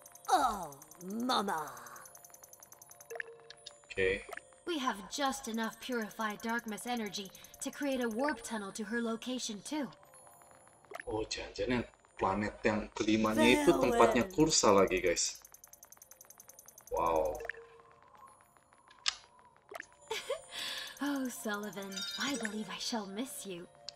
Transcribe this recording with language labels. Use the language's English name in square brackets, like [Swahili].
[English] Oh, mama. Okay. We have just enough purified darkness energy to create a warp tunnel to her location too. [Indonesian] Oh, jangan-jangan yang planet yang kelimanya itu tempatnya Kursa lagi, guys. Wow. [English] Oh, Sullivan, I believe I shall miss you.